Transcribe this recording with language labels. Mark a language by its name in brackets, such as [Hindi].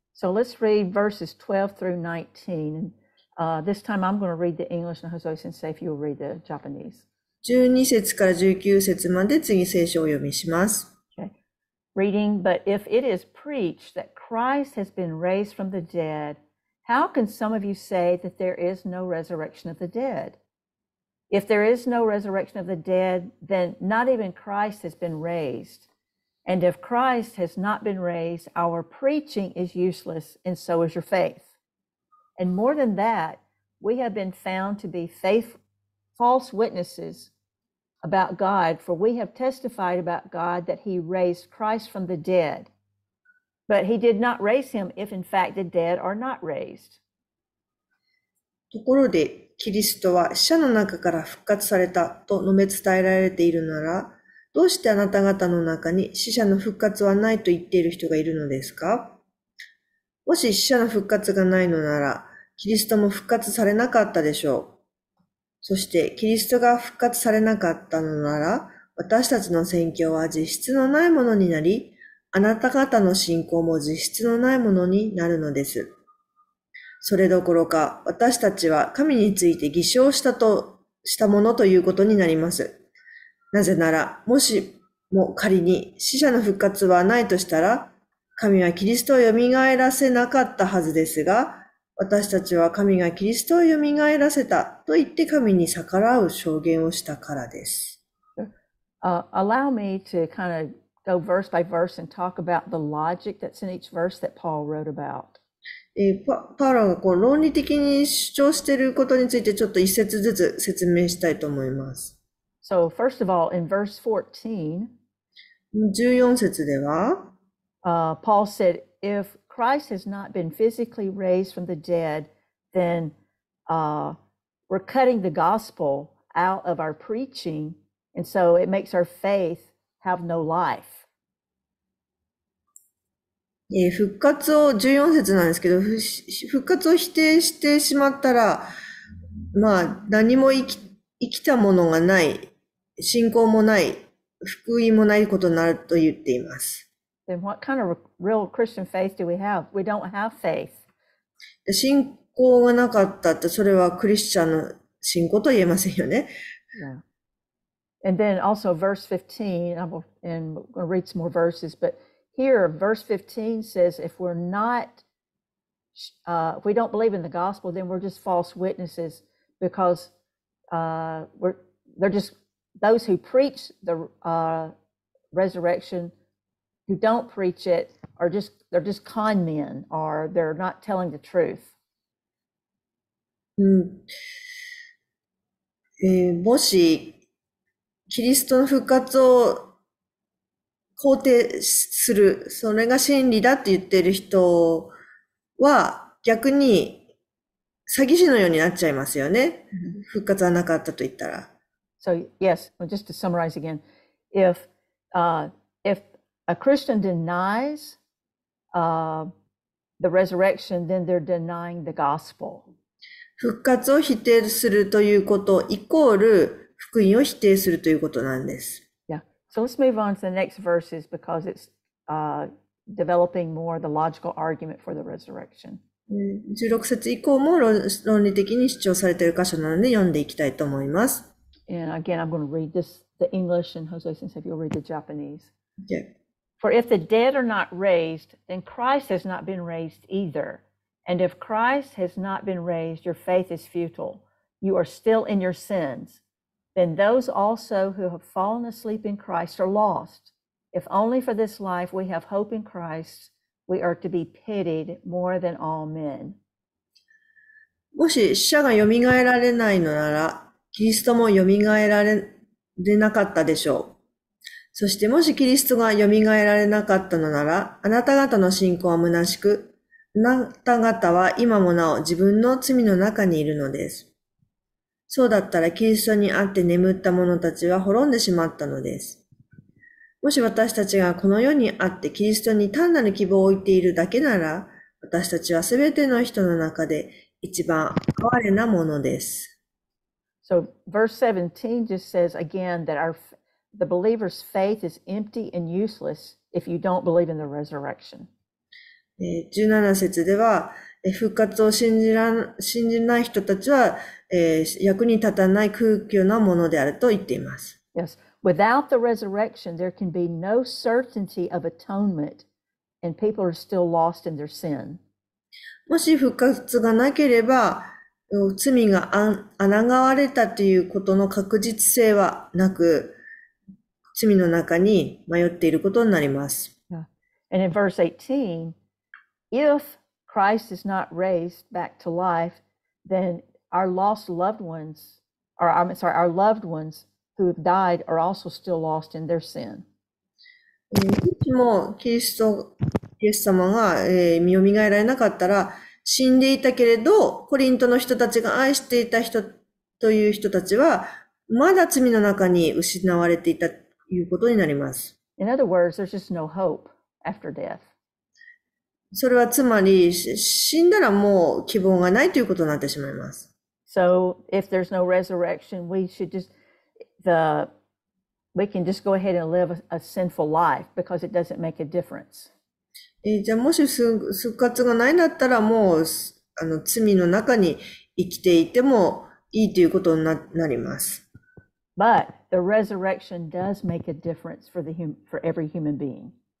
[English] So let's read verses 12 through 19. This time I'm going to read the English and Hosoi sensei if you'll read the Japanese. [Japanese] 12節から19節まで次聖書を読みします。 [English] Okay. Reading, but if it is preached that Christ has been raised from the dead, how can some of you say that there is no resurrection of the dead? If there is no resurrection of the dead, then not even Christ has been raised. And if Christ has not been raised, our preaching is useless, and so is your faith. And more than that, we have been found to be false witnesses about God, for we have testified about God that he raised Christ from the dead. But he did not raise him if in fact the dead are not raised. [Japanese] ところで、キリストは死者の中から復活されたと述べ伝えられているなら、どうしてあなた方の中に死者の復活はないと言っている人がいるのですか？もし死者の復活がないのなら、キリストも復活されなかったでしょう。そしてキリストが復活されなかったのなら、私たちの宣教は実質のないものになり、あなた方の信仰も実質のないものになるのです。それどころか、私たちは神について偽証したと、したものということになります。なぜなら、もしも仮に死者の復活はないとしたら、神はキリストを蘇らせなかったはずですが、私たちは神がキリストを蘇らせたと言って神に逆らう証言をしたからです。 [English] Allow me to kind of go verse by verse and talk about the logic that's in each verse that Paul wrote about. [Japanese] パウロがこう論理的に主張していることについてちょっと一節ずつ説明したいと思います。 [English] So first of all, in verse [Japanese] 14, 14節では、 [English] Paul said, if Christ has not been physically raised from the dead, then we're cutting the gospel out of our preaching. And so it makes our faith have no life. [Japanese] 復活を十四節なんですけど、復活を否定してしまったら、まあ何も生きたものがない、信仰もない、福音もないことになると言っています。 [English] Then what kind of real Christian faith do we have? We don't have faith. [Japanese] 信仰がなかったって、それはクリスチャンの信仰とは言えませんよね。 [English] Yeah. And then also verse 15, I'm going to read some more verses, but here verse 15 says, if we're not, if we don't believe in the gospel, then we're just false witnesses because they're just those who preach the resurrection, who don't preach it, they're just con men, or they're not telling the truth. [Japanese] もしキリストの復活を肯定する、それが真理だって言ってる人は逆に詐欺師のようになっちゃいますよね。復活はなかったと言ったら。 [English] So yes, just to summarize again, if a Christian denies the resurrection, then they're denying the gospel. [Japanese] 復活を否定するということイコール福音を否定するということなんです。 [English] Yeah. So let's move on to the next verses because it's developing more the logical argument for the resurrection. [Japanese] 16節以降も論理的に主張されている箇所なので読んでいきたいと思います。 [English] And again, I'm going to read this, the English, and Jose Sensei, you'll read the Japanese. Yeah. For if the dead are not raised, then Christ has not been raised either. And if Christ has not been raised, your faith is futile. You are still in your sins. Then those also who have fallen asleep in Christ are lost. If only for this life we have hope in Christ, we are to be pitied more than all men. [Japanese] もし死者がよみがえられないのなら、キリストもよみがえられなかったでしょう。そしてもしキリストがよみがえられなかったのなら、あなた方の信仰は虚しく、あなた方は今もなお自分の罪の中にいるのです。そうだったらキリストにあって眠った者たちは滅んでしまったのです。もし私たちがこの世にあってキリストに単なる希望を置いているだけなら、私たちはすべての人の中で一番哀れなものです。 [English] So, verse 17 just says again that the believer's faith is empty and useless if you don't believe in the resurrection. [Japanese] 17節では、復活を信じない人たちは、役に立たない空虚なものであると言っています。 [English] Yes. Without the resurrection, there can be no certainty of atonement, and people are still lost in their sin. [Japanese] もし復活がなければ、罪が贖われたということの確実性はなく、罪の中に迷っていることになります。 [English] Yeah. And in verse 18, if Christ is not raised back to life, then our loved ones who have died are also still lost in their sin. [Japanese] もしもキリスト様が、身を蘇られなかったら死んでいたけれど、コリントの人たちが愛していた人という人たちはまだ罪の中に失われていたいうことになります。 [English] In other words, there's just no hope after death. [Japanese] それはつまり死んだらもう希望がないということになってしまいます。 [English] So if there's no resurrection, we should just we can just go ahead and live a sinful life because it doesn't make a difference. [Japanese] じゃあもし復活がないんだったらもう罪の中に生きていてもいいということになります。 [English] But the resurrection does make a difference for every human being.